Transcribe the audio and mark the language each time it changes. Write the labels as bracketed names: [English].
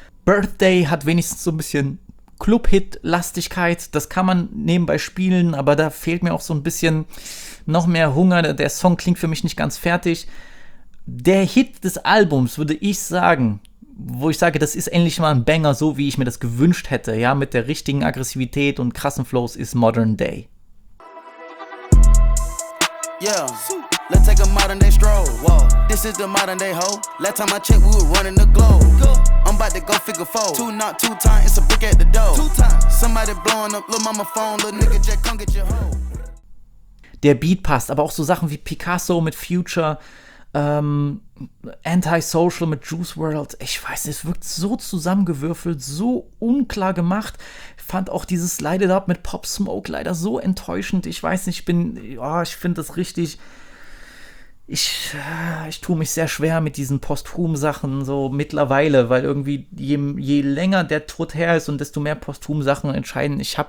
[German] Birthday hat wenigstens so ein bisschen Club-Hit-Lastigkeit, das kann man nebenbei spielen, aber da fehlt mir auch so ein bisschen noch mehr Hunger. Der Song klingt für mich nicht ganz fertig. Der Hit des Albums, würde ich sagen, wo ich sage, das ist endlich mal ein Banger, so wie ich mir das gewünscht hätte, ja, mit der richtigen Aggressivität und krassen Flows, ist Modern Day. [English] Yeah, let's take a modern day stroll. Whoa, this is the modern day hoe. Last time I checked, we were running the globe. I'm about to go figure four. Two knock, two time, it's a brick at the door. Two time, somebody blowing up, little mama phone, little nigga jack, come get your hoe. [German] Der Beat passt, aber auch so Sachen wie Picasso mit Future, Antisocial mit Juice WRLD. Ich weiß, es wirkt so zusammengewürfelt, so unklar gemacht. Ich fand auch dieses Light It Up mit Pop Smoke leider so enttäuschend. Ich weiß nicht, ich finde das richtig. Ich tue mich sehr schwer mit diesen Posthum-Sachen so mittlerweile, weil irgendwie je länger der Tod her ist und desto mehr Posthum-Sachen entscheiden.